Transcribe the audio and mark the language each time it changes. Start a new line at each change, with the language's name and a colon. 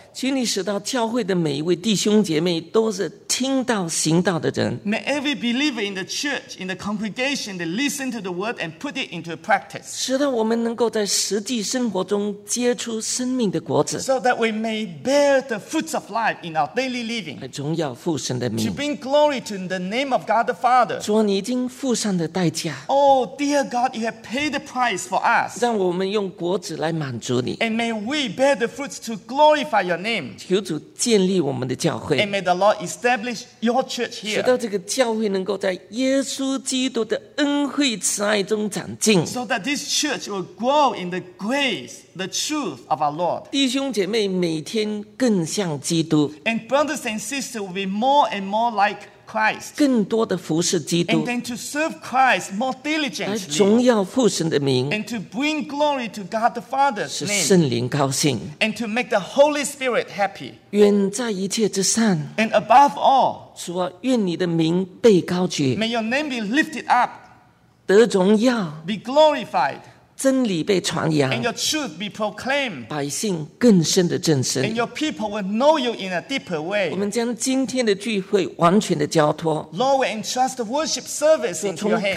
Chinese: 请你使到教会的每一位弟兄姐妹都是听到行道的人
English: May every believer in the church, in the congregation, they listen to the word and put it into practice.
Chinese: 使得我们能够在实际生活中结出生命的果子
English: So that we may bear the fruits of life in our daily living.
Chinese: 荣耀父神的名
English: To bring glory to the name of God the Father.
Chinese: 主啊，你已经付上的代价
English: Oh, dear God, you have paid the price for us.
Chinese: 让我们用果子来满足你
English: And may we bear the fruits to glorify your name.
Chinese: 求主建立我们的教会
English: And may the Lord establish Your church here.
Chinese: 使到这个教会能够在耶稣基督的恩惠慈爱中长进
English: So that this church will grow in the grace, the truth of our Lord.
Chinese: 弟兄姐妹每天更像基督
English: And brothers and sisters will be more and more like Christ，
Chinese: 更多的服侍基督，
English: and then to serve Christ more diligently，
Chinese: 而总要父神的名，
English: and to bring glory to God the Father's name，
Chinese: 使圣灵高兴，
English: and to make the Holy Spirit happy，
Chinese: 远在一切之上，
English: and above all，
Chinese: 主啊，愿你的名被高举，
English: may your name be lifted up，
Chinese: 得荣耀，
English: be glorified。
Chinese: 真理被传扬，
English: and your truth be proclaimed，
Chinese: 百姓更深的认识，
English: and your people will know you in a deeper way，
Chinese: 我们将今天的聚会完全的交托，
English: Lord we entrust the worship service into your hands，